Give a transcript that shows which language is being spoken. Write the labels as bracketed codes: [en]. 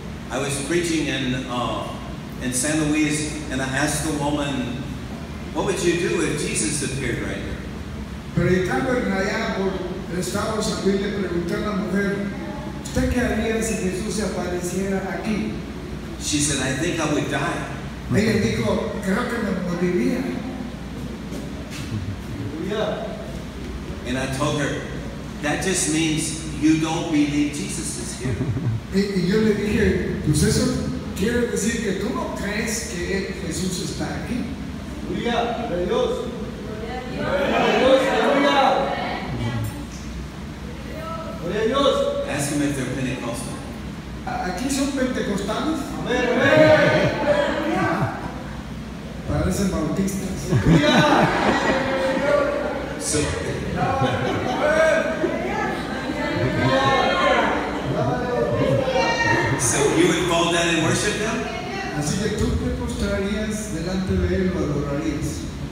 [en] I was preaching in San Luis, and I asked the woman, what would you do if Jesus appeared right here? [es] Predicando en allá por Estado Civil, le pregunté a la mujer, ¿usted qué haría si Jesús se apareciera aquí? [en] She said, I think I would die. [es] Ella dijo, creo que me moriría. [en] And I told her, that just means you don't believe Jesus is here. [es] Y yo le dije, pues eso quiere decir que tú no crees que Jesús está aquí. [en] Ask him if they're Pentecostal. [es] Aquí son pentecostales. [en] Amen, amen. [es] Parecen bautistas. [en] So you would fall down and worship them? [es] Así que tú te postrarías delante de él, lo adorarías.